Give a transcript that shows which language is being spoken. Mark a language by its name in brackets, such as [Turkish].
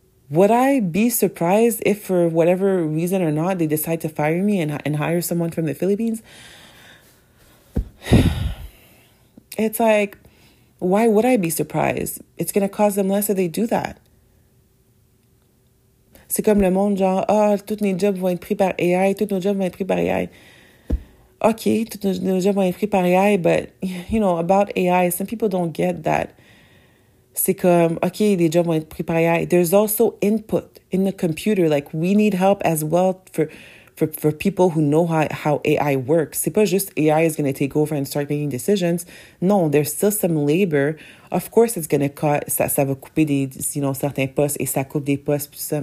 [English] Would I be surprised if for whatever reason or not, they decide to fire me and hire someone from the Philippines? It's like, why would I be surprised? It's going to cause them less if they do that. [French] C'est comme le monde genre, oh, tous nos jobs vont être pris par AI, tous nos jobs vont être pris par AI. [English] Okay, [French] tous nos jobs vont être pris par AI, [English] but, you know, about AI, some people don't get that. [French] C'est comme, okay, les jobs vont être pris par AI. [English] There's also input in the computer. Like, we need help as well for people who know how AI works. [French] C'est pas juste [English] AI is going to take over and start making decisions. [French] Non, [English] there's still some labor. Of course, it's going to cut, [French] ça va couper des, [English] you know, [French] certains postes, et ça coupe des postes, tout ça.